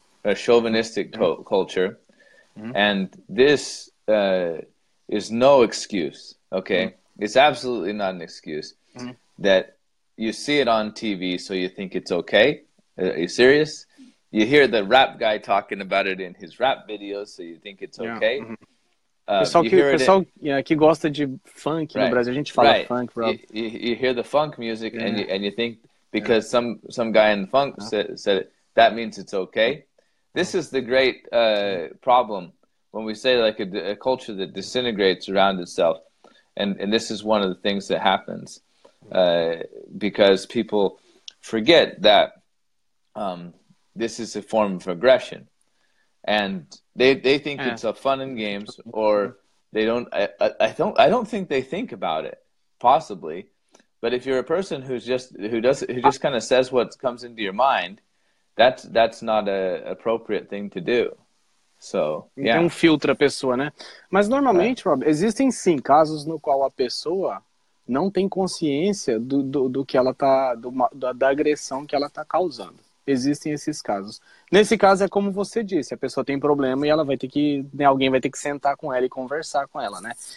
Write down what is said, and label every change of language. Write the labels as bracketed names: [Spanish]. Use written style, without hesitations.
[English] A chauvinistic culture. Mm-hmm. And this is no excuse, okay? Mm-hmm. It's absolutely not an excuse that you see it on TV so you think it's okay. Are you serious? You hear the rap guy talking about it in his rap videos so you think it's okay. Mm-hmm. [Portuguese] Pessoal que gosta de funk no Brasil, a gente fala funk, bro. [English] You hear the funk music and you think because some guy in the funk said it, that means it's okay. This is the great problem when we say like a culture that disintegrates around itself, and this is one of the things that happens because people forget that this is a form of aggression. And they think it's a fun and games, or they don't. I don't think they think about it, possibly. But if you're a person who just kind of says what comes into your mind, that's not a appropriate thing to do. So yeah. [Portuguese] Tem filtro a pessoa, né? Mas normalmente, Rob, existem sim casos no qual a pessoa não tem consciência do que ela tá da agressão que ela tá causando. Existem esses casos. Nesse caso, é como você disse, a pessoa tem problema e ela vai ter que, né, alguém vai ter que sentar com ela e conversar com ela, né?